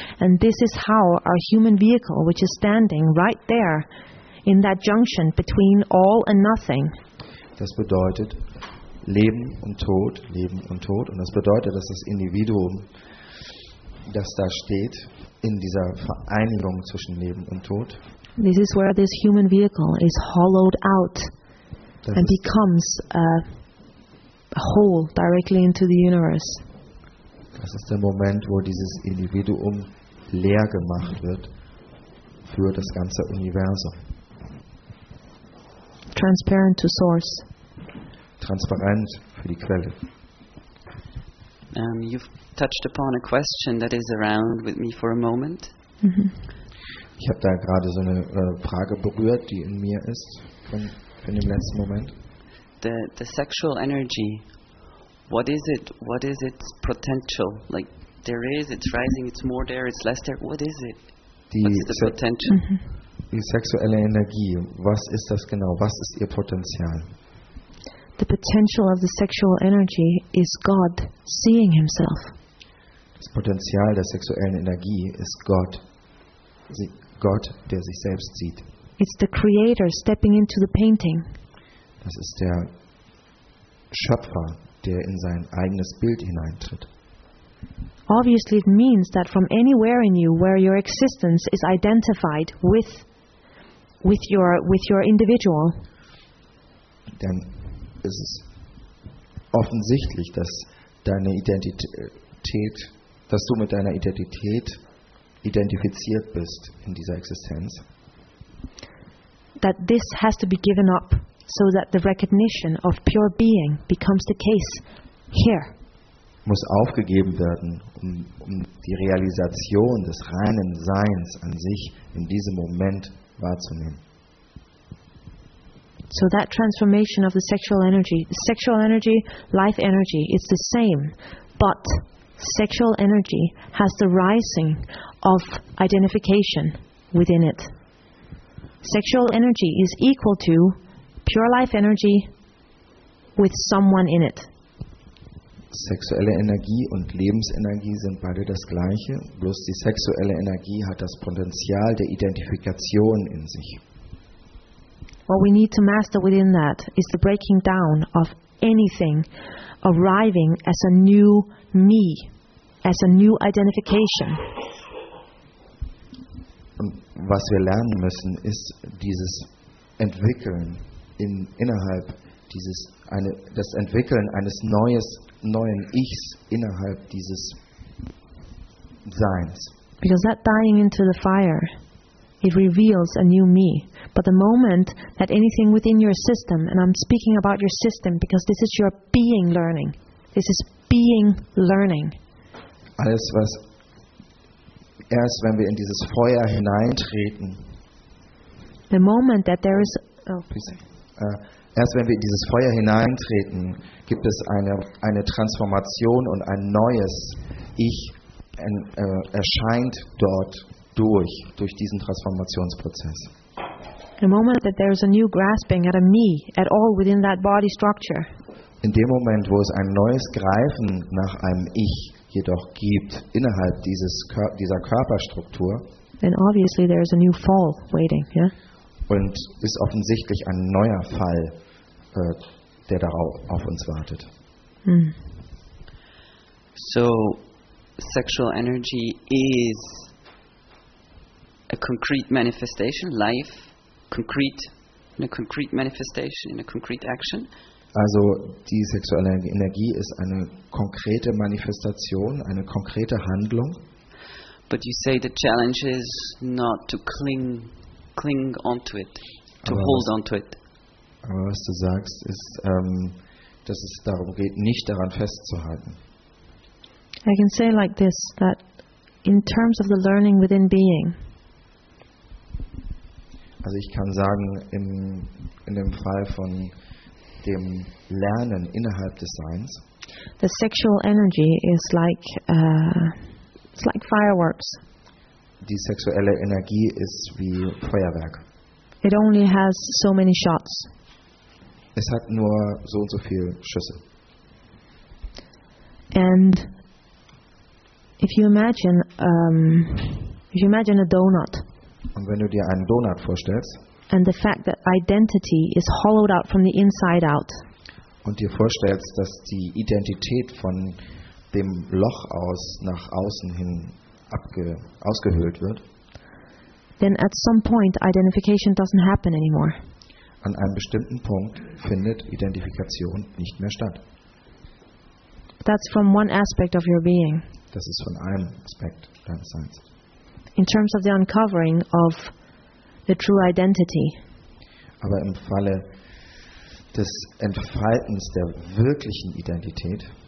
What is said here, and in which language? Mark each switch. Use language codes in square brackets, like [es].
[en] And this is how our human vehicle, which is standing right there in that junction between all and nothing. [de] Das bedeutet Leben und Tod, Leben und Tod. Und das bedeutet, dass das Individuum, das da steht, in dieser Vereinigung zwischen Leben und Tod. [en] This is where this human vehicle is hollowed out and becomes a hole directly into the universe. [de] Das ist der Moment, wo dieses Individuum leer gemacht wird für das ganze Universum. [en] Transparent to source. [de] Transparent für die Quelle. [en] You've touched upon a question that is around with me for a moment. [de] Ich habe da gerade so eine Frage berührt, die in mir ist von dem letzten Moment. [en] The sexual energy. What is it? What is its potential? Like there is, it's rising, it's more there, it's less there. What is it? What's the potential? [de] Die sexuelle Energie. Was ist das genau? Was ist ihr Potenzial? [en] The potential of the sexual energy is God seeing himself. [de] Das Potenzial der sexuellen Energie ist Gott. Gott, der sich selbst sieht. [en] It's the creator stepping into the painting. [de] Das ist der Schöpfer, der in sein eigenes Bild hineintritt. [en] Obviously it means that from anywhere in you where your existence is identified with your individual. [de] Dann ist es offensichtlich, dass deine Identität, dass du mit deiner Identität identifiziert bist in dieser Existenz. [en] That this has to be given up, so that the recognition of pure being becomes the case here. [de] Muss aufgegeben werden, um die Realisation des reinen Seins an sich in diesem Moment wahrzunehmen. [en] So that transformation of the sexual energy, life energy, is the same, but sexual energy has the rising of identification within it. Sexual energy is equal to pure life energy with someone in it. [de] Sexuelle Energie und Lebensenergie sind beide das gleiche, bloß die sexuelle Energie hat das Potenzial der Identifikation in sich. [en] What we need to master within that is the breaking down of anything arriving as a new me, as a new identification. [de] Und was wir lernen müssen, ist dieses Entwickeln das Entwickeln eines neuen Ichs innerhalb dieses Seins. [en] Because that dying into the fire, it reveals a new me. But the moment that anything within your system, and I'm speaking about your system because this is your being learning. This is being learning. [de] Erst wenn wir in dieses Feuer hineintreten. [en] The moment that there is [de] erst wenn wir in dieses Feuer hineintreten, gibt es eine Transformation und ein neues Ich erscheint dort durch diesen Transformationsprozess. [en] The moment that there is a new grasping at a me at all within that body structure. [de] In dem Moment, wo es ein neues Greifen nach einem Ich jedoch gibt innerhalb dieser Körperstruktur. [en] Then obviously there is a new fall waiting, yeah? [de] Und ist offensichtlich ein neuer Fall, der darauf auf uns wartet. Mm. [en] So, sexual energy is a concrete manifestation, life, concrete, in a concrete manifestation, in a concrete action. [de] Also die sexuelle Energie ist eine konkrete Manifestation, eine konkrete Handlung. [en] But you say the challenge is not to cling onto it, to hold onto it. [de] Aber was du sagst, ist, dass es darum geht, nicht daran festzuhalten. [en] I can say like this, that in terms of the learning within being. [de] Also ich kann sagen, in dem Fall von dem Lernen innerhalb des Seins. [en] The sexual energy is like it's like fireworks. [de] Die sexuelle Energie ist wie Feuerwerk. [en] It only has so many shots. [de] Es hat nur so und so viele Schüsse. [en] And if you imagine a donut. [de] Und wenn du dir einen Donut vorstellst. [en] And the fact that identity is hollowed out from the inside out. [de] Und dir vorstellst, dass die Identität von dem Loch aus nach außen hin ausgehöhlt wird. [en] Then at some point identification doesn't happen anymore. [de] An einem bestimmten Punkt findet Identifikation nicht mehr statt. [en] That's from one aspect of your being. [de] Das ist von einem Aspekt deines Seins. [en] In terms of the uncovering of the true identity. [de] Aber im Falle des Entfaltens der wirklichen Identität.